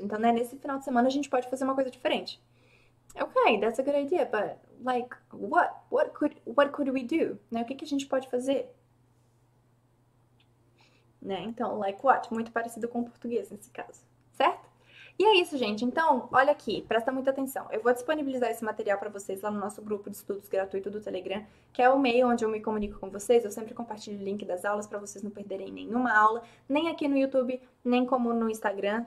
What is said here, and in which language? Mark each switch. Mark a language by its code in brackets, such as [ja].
[pt] Então, né, nesse final de semana a gente pode fazer uma coisa diferente. [en] Okay, that's a good idea, but like what could we do? [pt] Né? O que que a gente pode fazer? Né? Então, [en] like what? [pt] Muito parecido com o português nesse caso, certo? E é isso, gente. Então, olha aqui, presta muita atenção. Eu vou disponibilizar esse material para vocês lá no nosso grupo de estudos gratuito do Telegram, que é o meio onde eu me comunico com vocês. Eu sempre compartilho o link das aulas para vocês não perderem nenhuma aula, nem aqui no YouTube, nem como no Instagram.